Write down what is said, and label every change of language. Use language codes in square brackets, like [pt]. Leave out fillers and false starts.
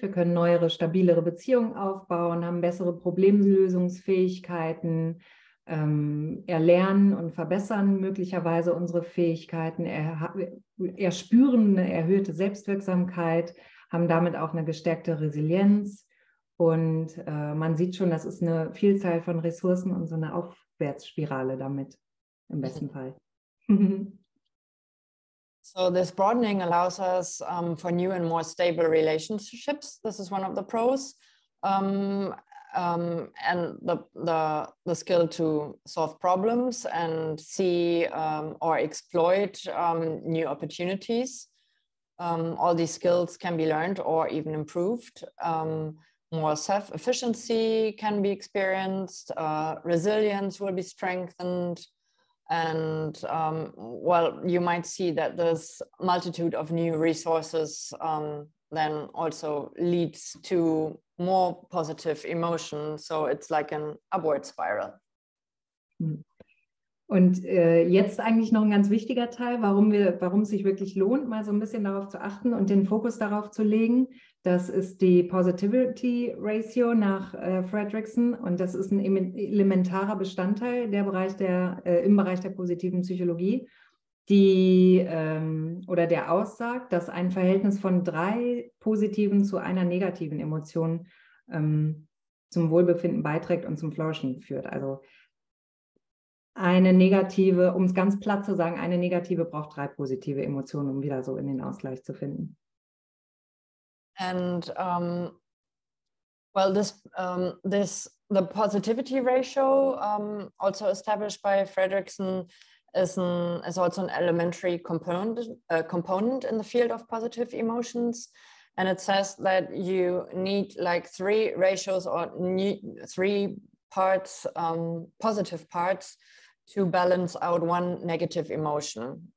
[de] Wir können neuere, stabilere Beziehungen aufbauen, haben bessere Problemlösungsfähigkeiten, erlernen und verbessern möglicherweise unsere Fähigkeiten, erspüren eine erhöhte Selbstwirksamkeit, haben damit auch eine gestärkte Resilienz. Und man sieht schon, das ist eine Vielzahl von Ressourcen und so eine Aufwärtsspirale damit, im besten Fall. [en] So this broadening allows us for new and more stable relationships. This is one of the pros. And the skill to solve problems and see or exploit new opportunities. All these skills can be learned or even improved. More self-efficiency can be experienced, resilience will be strengthened, and you might see that this multitude of new resources then also leads to more positive emotion. So it's like an upward spiral. [de] Und jetzt eigentlich noch ein ganz wichtiger Teil, warum es sich wirklich lohnt, mal so ein bisschen darauf zu achten und den Fokus darauf zu legen. Das ist die Positivity Ratio nach Fredrickson und das ist ein elementarer Bestandteil im Bereich der positiven Psychologie, der aussagt, dass ein Verhältnis von 3 positiven zu einer negativen Emotion zum Wohlbefinden beiträgt und zum Flourishing führt. Also eine negative, um es ganz platt zu sagen, eine negative braucht 3 positive Emotionen, um wieder so in den Ausgleich zu finden. [en] And the positivity ratio also established by Fredrickson is also an elementary component in the field of positive emotions, and it says that you need like 3 ratios or 3 parts, positive parts, to balance out 1 negative emotion.